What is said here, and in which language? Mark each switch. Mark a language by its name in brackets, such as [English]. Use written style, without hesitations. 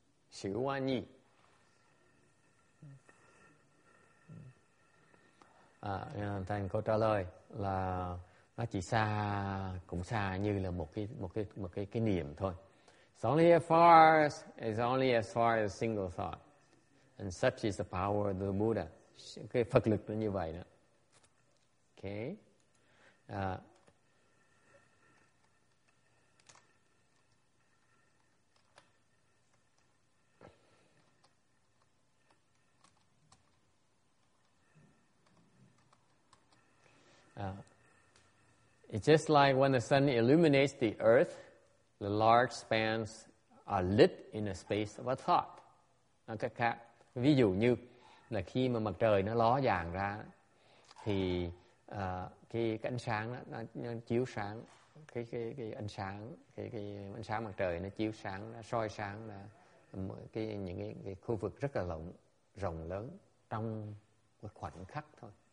[Vietnamese] Sử hoa nhi. Thành câu trả lời là nó chỉ xa, cũng xa như là một cái niệm thôi. [English] It's only as far as, it's only as far as a single thought. And such is the power of the Buddha. [Vietnamese] Okay, Phật lực nó như vậy đó. [English] Okay. It's just like when the sun illuminates the earth, the large spans are lit in a space of a thought. Okay, cat. [Vietnamese] Ví dụ như là khi mà mặt trời nó ló vàng ra thì cái ánh sáng đó, nó chiếu sáng cái ánh sáng mặt trời nó chiếu sáng, nó soi sáng là những cái khu vực rất là rộng lớn trong một khoảnh khắc thôi.